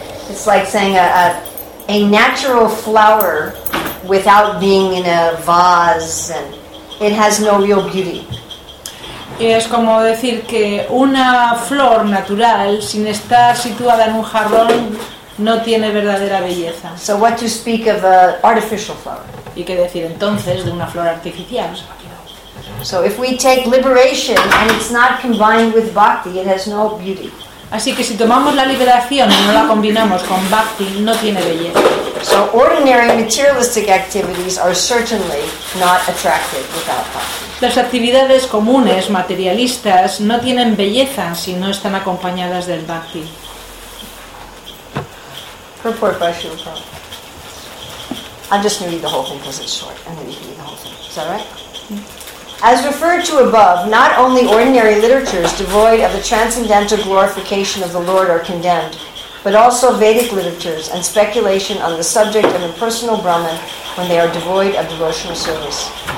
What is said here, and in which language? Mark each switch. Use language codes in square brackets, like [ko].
[en] It's like saying a natural flower without being in a vase, and it has no real beauty. [es] Es como decir que una flor natural sin estar situada en un jarrón no tiene verdadera belleza. [en] So what to speak of an artificial flower? [es] ¿Y qué decir entonces de una flor artificial? [en] So if we take liberation and it's not combined with bhakti, it has no beauty. [es] Así que si tomamos la liberación y no la combinamos con bhakti, no tiene belleza. [en] So ordinary materialistic activities are certainly not attractive without bhakti. [es] Las actividades comunes, materialistas, no tienen belleza si no están acompañadas del bhakti. [en] I'm just going to read the whole thing because it's short. I'm going to read the whole thing. Is that right? As referred to above, not only ordinary literatures devoid of the transcendental glorification of the Lord are condemned, but also Vedic literatures and speculation on the subject of impersonal Brahman when they are devoid of devotional service.